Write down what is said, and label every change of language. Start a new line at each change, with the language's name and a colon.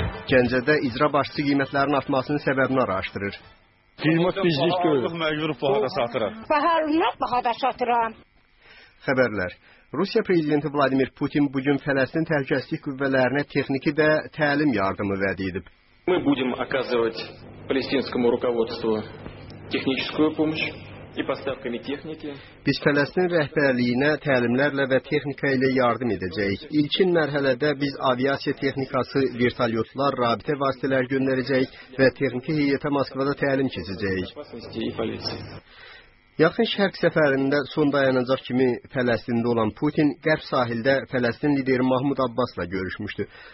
Azerbaijani: Gəncədə icra başçısı qiymətlərin artmasının səbəbini araşdırır. Qiymət bizlik görürük, məcbur baharda satıram. Xəbərlər. Rusiya Prezidenti Vladimir Putin bugün Fələstin təhlükəsizlik qüvvələrinə texniki və təlim yardımı vəd edib.
Russian: Мы будем оказывать палестинскому руководству техническую помощь и поставками техники.
Azerbaijani: Biz Fələstin rəhbərliyinə təlimlərlə və texnika ilə yardım edəcəyik. İlkin mərhələdə biz aviasiya texnikası, vertolyotlar, rabitə vasitələri göndərəcəyik və texniki heyətə Moskvada təlim keçəcəyik. Yaxın Şərq səfərində son dayanacaq kimi Fələstində olan Putin Qərb sahildə Fələstin lideri Mahmud Abbasla görüşmüşdü.